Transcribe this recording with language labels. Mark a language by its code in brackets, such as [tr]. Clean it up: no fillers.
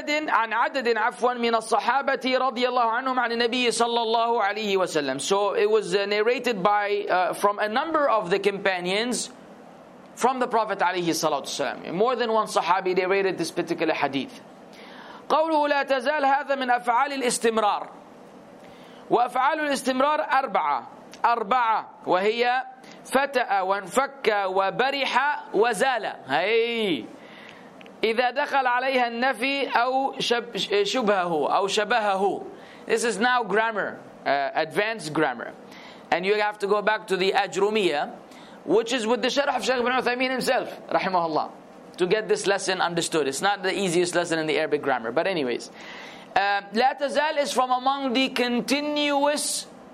[ar] من الصحابة رضي الله عنهم عن النبي صلى الله عليه وسلم. [en] So it was narrated by from a number of the companions from the Prophet [ar] عليه الصلاة والسلام. [en] More than one Sahabi narrated this particular hadith. [ar] قوله لا تزال هذا من أفعال الاستمرار. وأفعال الاستمرار أربعة وهي فتأ وانفك وبرح وزال. [en] Hey. [ar] إذا دخل عليها النفي أو شبهه أو شبهه. [en] This is now grammar, advanced grammar, and you have to go back to the أجرمية, which is with the شرح of Shaykh Ibn Uthaymeen himself [ar] رحمه الله, [en] to get this lesson understood. It's not the easiest lesson in the Arabic grammar, but anyways, لا تزال is from among the continuous